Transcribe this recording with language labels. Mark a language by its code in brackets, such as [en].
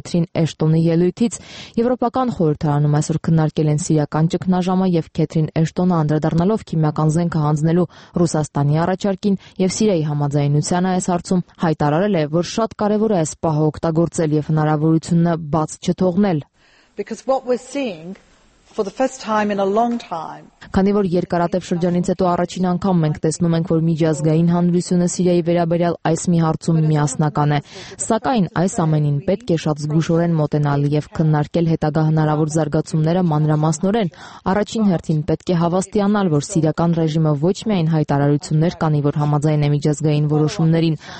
[hy] Եթրին Էշտոնի ելույթից եվրոպական խորհրդարանում այսօր քննարկել են սիրական ճգնաժամը եւ Քեթրին Էշտոնը անդրադառնալով քիմիական զենքը հանձնելու Ռուսաստանի առաջարկին եւ Սիրիայի համաձայնության այս հարցում հայտարարել է, որ շատ կարեւոր է այս պահը օգտագործել եւ հնարավորությունը բաց չթողնել. [en] Because what we're seeing for the first time in a long time. [hy] Քանի որ երկարատև շրջանից հետո առաջին անգամ մենք տեսնում ենք, որ միջազգային հանրությունը Սիրիայի վերաբերյալ այս մի հարցում միասնական է, սակայն այս ամենին պետք է շատ զգուշորեն մոտենալ եւ քննարկել հետագա հնարավոր զարգացումները մանրամասնորեն։ Առաջին հերթին պետք է հավաստիանալ, որ սիրական ռեժիմը ոչ միայն հայտարարություններ կանի, որ համաձայն է միջազգային որոշումներին,